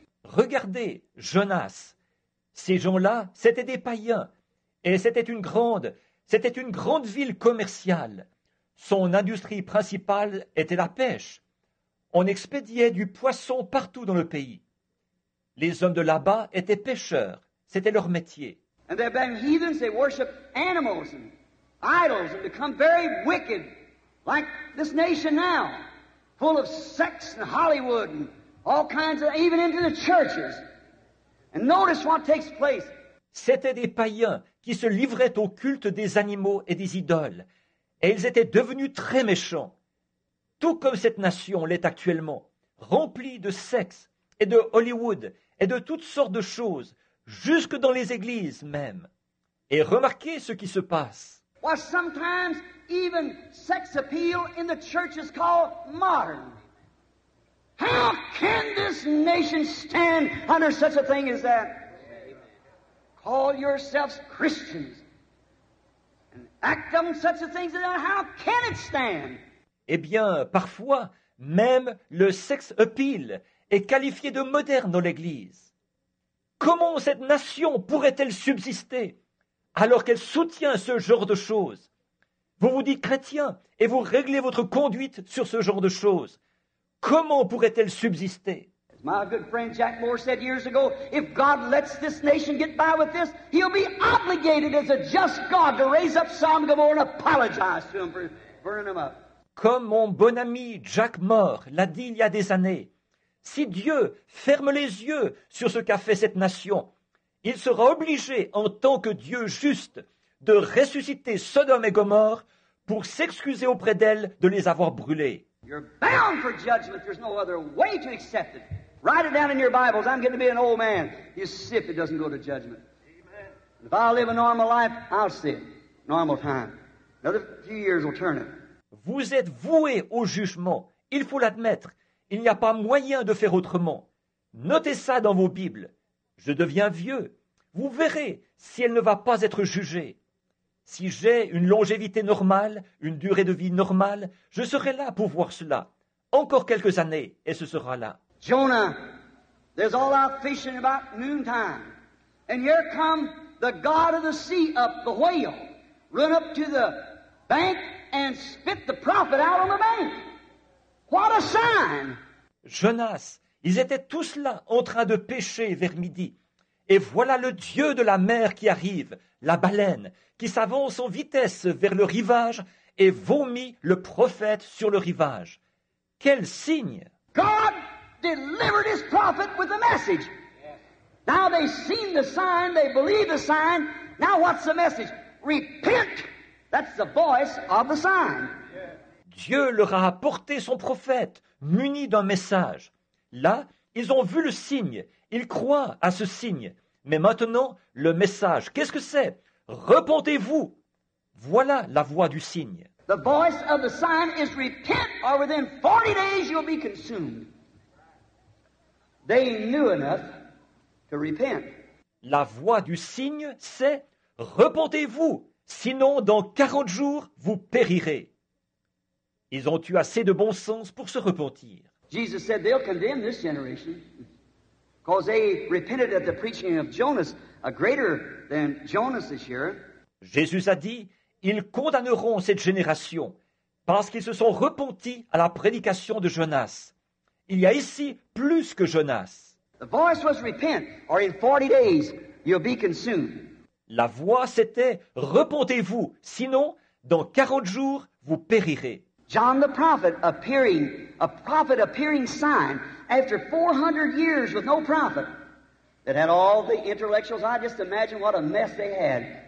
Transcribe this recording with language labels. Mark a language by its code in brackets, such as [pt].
[fr] Regardez, Jonas. Ces gens-là, c'était des païens. Et c'était une grande ville commerciale. Son industrie principale était la pêche. On expédiait du poisson partout dans le pays. Les hommes de là-bas étaient pêcheurs. C'était leur métier. [en] And they've been heathens, they worship animals and idols and become very wicked, like this nation now, full of sex and Hollywood and all kinds of, even into the churches. And notice what takes place. [fr] C'était des païens qui se livraient au culte des animaux et des idoles. Et ils étaient devenus très méchants. Tout comme cette nation l'est actuellement, remplie de sexe et de Hollywood et de toutes sortes de choses, jusque dans les églises même. Et remarquez ce qui se passe. [en] Well, sometimes even sex appeal in the church is called modern. How can this nation stand under such a thing as that? Call yourselves Christians and act on such a thing as that. How can it stand? [fr] Eh bien, parfois, même le sex appeal est qualifié de moderne dans l'église. Comment cette nation pourrait-elle subsister alors qu'elle soutient ce genre de choses? Vous vous dites chrétien et vous réglez votre conduite sur ce genre de choses. Comment pourrait-elle subsister? [en] As my good friend Jack Moore said years ago, if God lets this nation get by with this, he'll be obligated as a just God to raise up Sodom and Gomorrah and apologize to him for burning them up. [fr] Comme mon bon ami Jack Moore l'a dit il y a des années, si Dieu ferme les yeux sur ce qu'a fait cette nation, il sera obligé, en tant que Dieu juste, de ressusciter Sodome et Gomorre pour s'excuser auprès d'elle de les avoir brûlés. [en] You're bound for judgment. There's no other way to accept it. Write it down in your Bibles. I'm going to be an old man. You see if it doesn't go to judgment. Amen. If I live a normal life, I'll see it. Normal time. Another few years will turn it. [fr] Vous êtes voué au jugement. Il faut l'admettre. Il n'y a pas moyen de faire autrement. Notez ça dans vos Bibles. Je deviens vieux. Vous verrez si elle ne va pas être jugée. Si j'ai une longévité normale, une durée de vie normale, je serai là pour voir cela. Encore quelques années et ce sera là. [en] Jonah, there's all out fishing about noontime. And here come the god of the sea up, the whale, run up to the bank and spit the prophet out on the bank. What a sign! [fr] Jonas, ils étaient tous là en train de pêcher vers midi. Et voilà le dieu de la mer qui arrive, la baleine, qui s'avance en vitesse vers le rivage et vomit le prophète sur le rivage. Quel signe! [en] God delivered his prophet with a message. Now they've seen the sign, they believe the sign. Now what's the message? Repent! That's the voice of the sign. [fr] Dieu leur a apporté son prophète, muni d'un message. Là, ils ont vu le signe, ils croient à ce signe. Mais maintenant, le message, qu'est-ce que c'est? Repentez-vous! Voilà la voix du signe. [en] The voice of the sign is repent, or within 40 days you'll be consumed. They knew enough to repent. [fr] La voix du signe, c'est repentez-vous, sinon dans 40 jours, vous périrez. Ils ont eu assez de bon sens pour se repentir. [en] Jesus said they'll condemn this generation because they repented at the preaching of Jonas, a greater than Jonas this year. [fr] Jésus a dit, ils condamneront cette génération parce qu'ils se sont repentis à la prédication de Jonas. Il y a ici plus que Jonas. [en] The voice was repent, or in 40 days you'll be consumed. [fr] La voix c'était repentez-vous, sinon dans 40 jours vous périrez. [en] John the prophet appearing, a prophet appearing sign after 400 years with no prophet that had all the intellectuals. I just imagine what a mess they had.